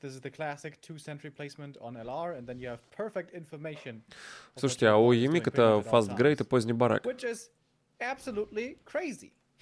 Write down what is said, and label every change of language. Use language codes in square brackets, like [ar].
[en] This is the classic two sentry placement on LR, and then you have perfect information. [ru] Слушайте, а у Емик это fast grade и поздний барак. [en] Which is absolutely crazy.